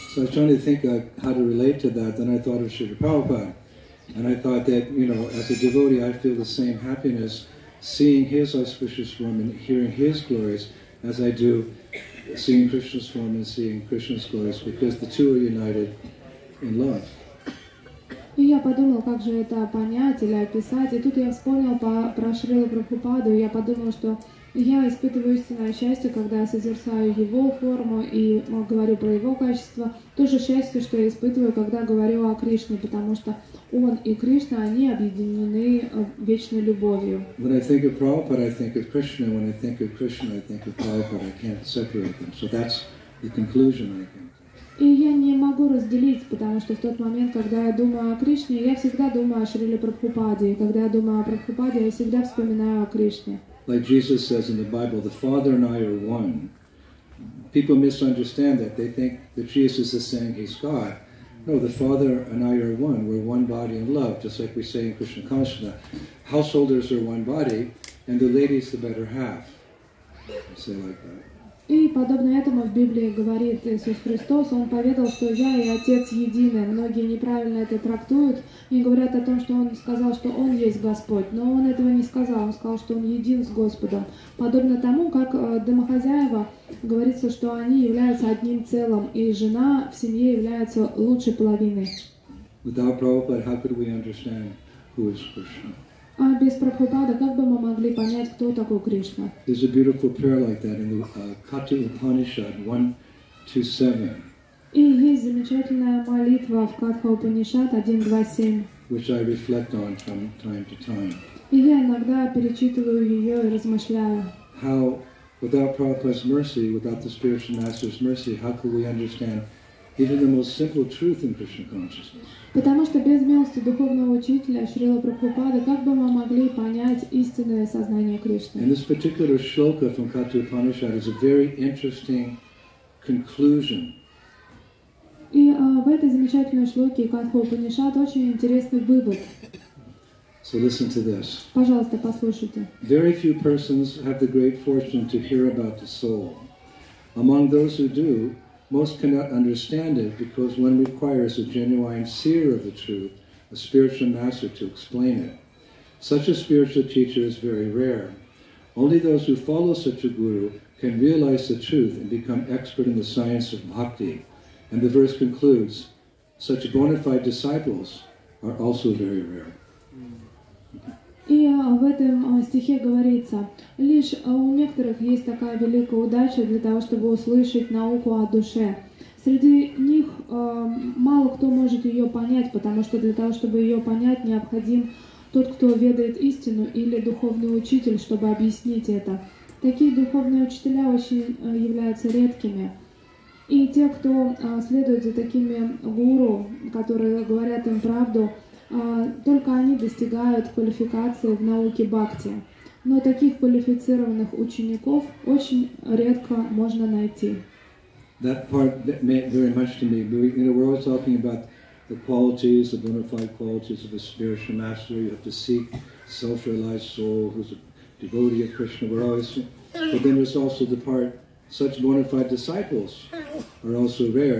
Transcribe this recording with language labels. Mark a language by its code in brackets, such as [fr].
[en] So I was trying to think of how to relate to that, then I thought of Srila Prabhupada. And I thought that, you know, as a devotee, I feel the same happiness seeing his auspicious form and hearing his glories as I do seeing Krishna's form and seeing Krishna's glories, because the two are united in love. [ru] И я подумал, как же это понять или описать. И тут я вспомнил про Шрилу Прабхупаду, и я подумал, что я испытываю истинное счастье, когда я созерцаю его форму и говорю про его качество. То же счастье, что я испытываю, когда говорю о Кришне, потому что он и Кришна, они объединены вечной любовью. [en] When I think of Prabhupada, I think of Krishna. When I think of Krishna, I think of Prabhupada. I can't separate them. So that's the conclusion, I think. [ru] И я не могу разделить, потому что в тот момент, когда я думаю о Кришне, я всегда думаю о Шриле Прабхупаде. И когда я думаю о Прабхупаде, я всегда вспоминаю о Кришне. [en] Like Jesus says in the Bible, the Father and I are one. People misunderstand that. They think that Jesus is saying he's God. No, the Father and I are one. We're one body in love, just like we say in Krishna Consciousness. Householders are one body, and the lady's the better half. I say like that. [ru] И подобно этому в Библии говорит Иисус Христос, Он поведал, что Я и Отец едины. Многие неправильно это трактуют и говорят о том, что Он сказал, что Он есть Господь. Но Он этого не сказал, Он сказал, что Он един с Господом. Подобно тому, как домохозяева, говорится, что они являются одним целым, и жена в семье является лучшей половиной. [en] Without Prabhupada, how could we understand who is Krishna? [ru] А без Прабхупады, как бы мы могли понять, кто такой Кришна? [en] There's a beautiful prayer like that in the Katha Upanishad 1-7. [ru] И есть замечательная молитва в Катха Упанишад 1-7. [en] Which I reflect on from time to time. [ru] И я иногда перечитываю ее и размышляю. [en] How, without Prabhupada's mercy, without the spiritual master's mercy, how could we understand even the most simple truth in Krishna consciousness? [ru] Потому что без милости духовного учителя Шрила Прабхупады, как бы мы могли понять истинное сознание Кришны? [en] And this particular shloka from Katha Upanishad is a very interesting conclusion. [ru] И в этой замечательной шлоке Катха Упанишад очень интересный вывод. [en] So listen to this. [ru] Пожалуйста, послушайте. [en] Very few persons have the great fortune to hear about the soul. Among those who do, most cannot understand it because one requires a genuine seer of the truth, a spiritual master to explain it. Such a spiritual teacher is very rare. Only those who follow such a guru can realize the truth and become expert in the science of bhakti. And the verse concludes, such bona fide disciples are also very rare. [ru] И в этом стихе говорится, лишь у некоторых есть такая великая удача для того, чтобы услышать науку о душе. Среди них мало кто может ее понять, потому что для того, чтобы ее понять, необходим тот, кто ведает истину, или духовный учитель, чтобы объяснить это. Такие духовные учителя очень являются редкими. И те, кто следует за такими гуру, которые говорят им правду, только они достигают квалификации в науке бхакти. Но таких квалифицированных учеников очень редко можно найти. [en] That part that meant very much to me. You know, we're always talking about the qualities, the bona fide qualities of a spiritual master. You have to seek self-realized soul who's a devotee of Krishna. We're always, but then there's also the part, such bona fide disciples are also rare.